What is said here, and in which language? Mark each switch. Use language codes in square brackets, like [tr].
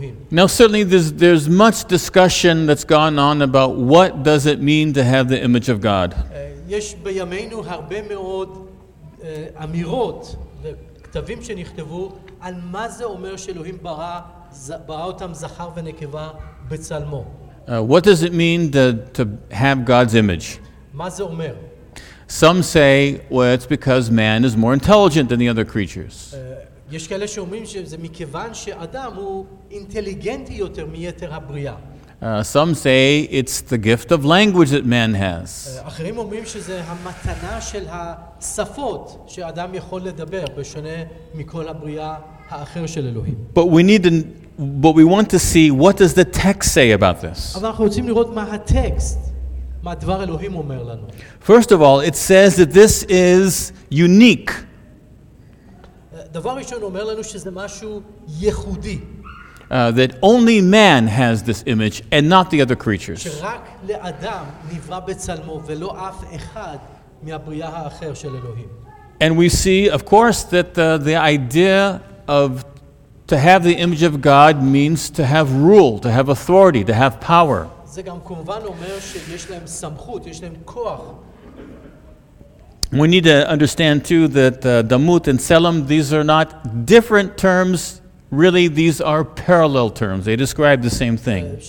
[en] Now certainly there's much discussion that's gone on about what does it mean to have the image of God. [he] יש בימינו הרבה מאוד אמירות וכתבים שנכתבו על מה זה אומר שאלוהים ברא אותם זכר ונקבה בצלמו. [en] What does it mean to have God's image? [he] מה זה אומר? [en] Some say, well, it's because man is more intelligent than the other creatures. [he] יש כאלה שאומרים שזה מכיוון שאדם הוא אינטליגנטי יותר מיתר הבריאה. [en] Some say it's the gift of language that man has. [he] אחרים אומרים שזה המתנה של השפות שאדם יכול לדבר בשונה מכל הבריאה האחר של אלוהים. [en] But we want to see what does the text say about this. [he] אבל אנחנו רוצים לראות מה הטקסט, מה דבר אלוהים אומר לנו. [en] First of all, it says that this is unique. [he] דבר ראשון אומר לנו שזה משהו ייחודי. [en] That only man has this image and not the other creatures. [he] שרק לאדם נברא בצלמו ולא אף אחד מהבריאה האחר של אלוהים. [en] And we see, of course, that the idea of to have the image of God means to have rule, to have authority, to have power. [he] זה גם כמובן אומר שיש להם סמכות, יש להם כוח. [en] We need to understand too that Damut and Tselem, these are not different terms. Really, these are parallel terms. They describe the same thing.